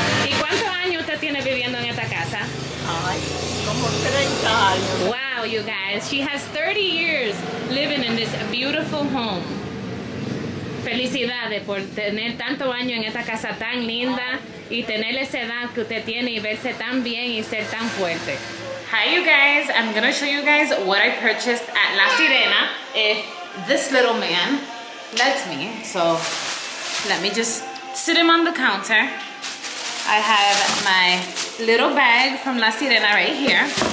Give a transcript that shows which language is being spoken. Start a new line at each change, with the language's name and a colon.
Spanish: ¿Y cuántos años usted tiene viviendo en esta casa? Ay, como 30 años.
English: Wow, you guys. She has 30 years living in this beautiful home.
Spanish: Felicidades por tener tanto año en esta casa tan linda y tener esa edad que usted tiene y verse tan bien y ser tan fuerte.
English: Hi, you guys. I'm going to show you guys what I purchased at La Sirena. If this little man lets me. So, let me just sit him on the counter. I have my little bag from La Sirena right here.